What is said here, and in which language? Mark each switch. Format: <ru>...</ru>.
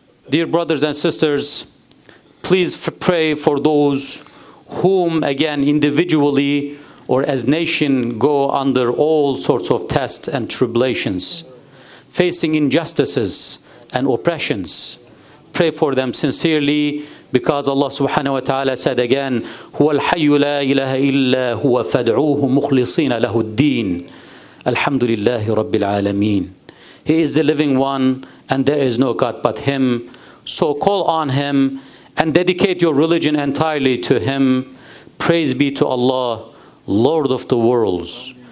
<en>Dear brothers and sisters, please pray for those whom, again, individually or as nation, go under all sorts of tests and tribulations, facing injustices and oppressions. Pray for them sincerely, because Allah subhanahu wa ta'ala said again,</en> <ar>هُوَ الْحَيُّ لَا إِلَهَ إِلَّا هُوَ فَدْعُوهُ مُخْلِصِينَ لَهُ الدِّينَ الْحَمْدُ لِلَّهِ رَبِّ الْعَالَمِينَ.</ar> <en>He is the living one, and there is no God but Him. So call on Him and dedicate your religion entirely to Him. Praise be to Allah, Lord of the worlds.</en>